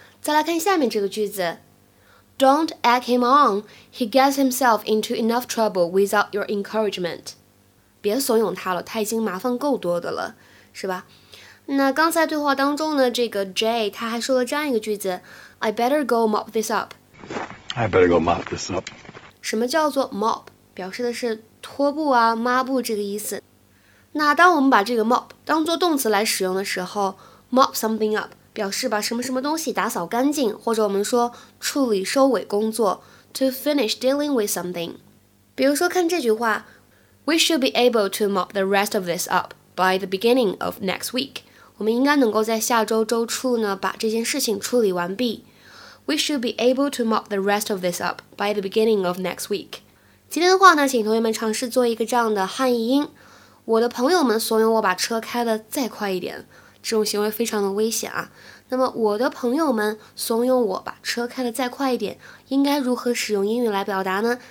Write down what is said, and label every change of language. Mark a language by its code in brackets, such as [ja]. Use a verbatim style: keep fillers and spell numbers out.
[zh] 再来看下面这个句子。 [en] Don't egg him on. He gets himself into enough trouble without your encouragement. [zh] 别怂恿他了，他已经麻烦够多的了，是吧？那刚才对话当中呢，这个 Jay 他还说了这样一个句子 ： [en] I better go mop this up. I better go mop this up. [zh] 什么叫做 mop？表示的是拖布啊、抹布这个意思。那当我们把这个 mop 当作动词来使用的时候 ， [en] mop something up。 [zh] 表示把什么什么东西打扫干净，或者我们说处理收尾工作 [en] to finish dealing with something。 [zh] 比如说看这句话 [en] We should be able to mop the rest of this up by the beginning of next week. [zh] 我们应该能够在下周周初呢把这件事情处理完毕。 [en] We should be able to mop the rest of this up by the beginning of next week. [zh] 今天的话呢，请同学们尝试做一个这样的汉译音。我的朋友们怂恿我把车开得再快一点，这种行为非常的危险啊。那么我的朋友们怂恿我把车开得再快一点，应该如何使用英语来表达呢？